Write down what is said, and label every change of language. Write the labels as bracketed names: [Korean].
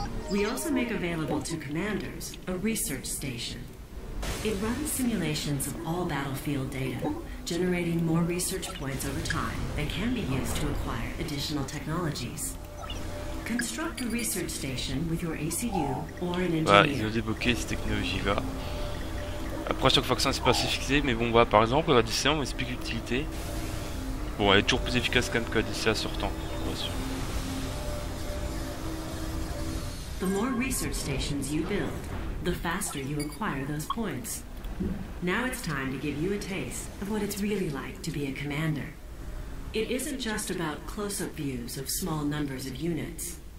[English] We also make available to commanders a research station. It runs simulations of all battlefield data, generating more research points over time that can be used to acquire additional technologies. Construct a research station with your ACU or an engineer. [French] Ils ont débloqué cette technologie-là. Après, chaque vaccin c'est pas fixé, mais bon, par exemple, la DCA, on explique l'utilité. Bon, elle est toujours plus efficace quand même que la DCA sortant, bien sûr. [English] The more research stations you build, the faster you acquire those points. Now it's time to give you a taste of what it's really like to be a commander. It isn't just about close-up views of small numbers of units.